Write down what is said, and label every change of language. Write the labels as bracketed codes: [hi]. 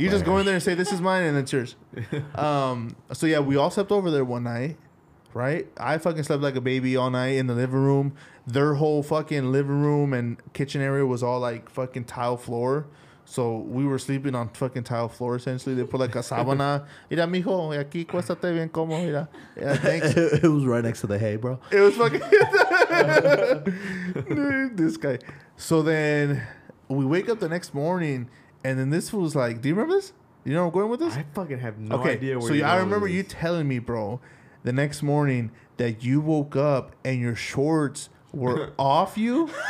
[en] You just go in there and say, this is mine, and it's yours. So, yeah, we all slept over there one night, right? I fucking slept like a baby all night in the living room. Their whole fucking living room and kitchen area was all, like, fucking tile floor. So we were sleeping on fucking tile floor, essentially. They put, like, a sabana. [es] Mira, mijo, aquí cuéstate bien como. [en] Mira. Yeah, thanks. It was right next to the hay, bro. It was fucking... This guy. So then we wake up the next morning, and then this was like, do you remember this? You know where I'm going with this? I fucking have no idea where. So I remember you telling me, bro, the next morning that you woke up and your shorts were off you.